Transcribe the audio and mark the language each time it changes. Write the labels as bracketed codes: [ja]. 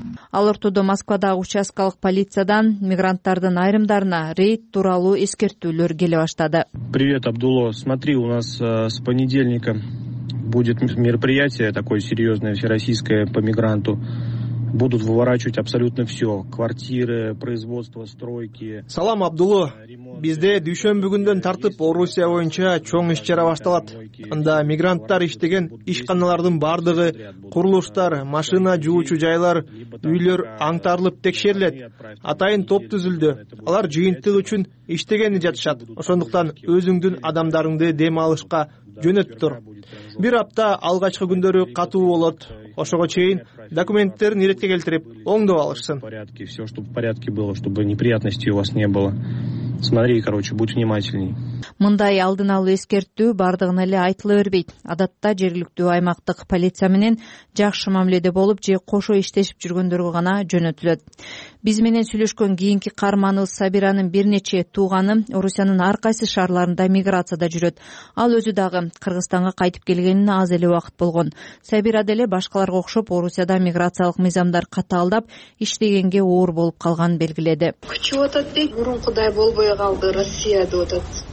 [ky] Ал ортодо Москвадагы участкалык полициядан мигранттардын айрымдарына рейд тууралуу эскертүүлөр келе баштады. [ru] Привет, Абдулло. Смотри, у нас с понедельника будет мероприятие такое серьезное всероссийское по мигранту. Будут выворачивать абсолютно все. Квартиры, производство, стройки. [ky] Салам, Абдулло. Бизде дүйшөмбү күндөн тартып Орусия боюнча чоң иш-чара башталат. Анда мигранттар иштеген ишканалардын бардыгы, курулуштар, машина жуучу жайлар, үйлөр аңтарылып текшерилет. Атайын топ түзүлдү. Алар жыйынтык үчүн иштегени жатышат. Ошондуктан өзүңдүн адамдарыңды дем алышка жөнөтүп тур. Бир апта алгачкы күндөрү катуу болот. Ошого чейин документтерин иретке келтирип, оңдоп алышсын. [ru] Порядки, всё, чтобы в порядке было, чтобы неприятностей у вас не было. Смотри, короче, будь внимательней. [ky] Мындай алдын алуу эскертүү бардыгын эле айтыла бербейт. Адатта жергиликтүү аймактык полиция менен жакшы мамиледе болуп же кошо иштешип жүргөндөргө гана жөнөтүлөт. Биз менен сүйлөшкөн кийинки карманыбыз Сабиранын бир нече тууганы Орусиянын ар кайсы шаарларында миграцияда жүрөт. Ал өзү дагы Кыргызстанга кайтып келгенине аз эле убакыт болгон. Сабира деле башкаларга окшоп Орусияда миграциялык мыйзамдар катаалдап иштегенге оор болуп калганын белгиледи. Күчүп атат дейт, мурункудай болбой калды, Россия деп атат.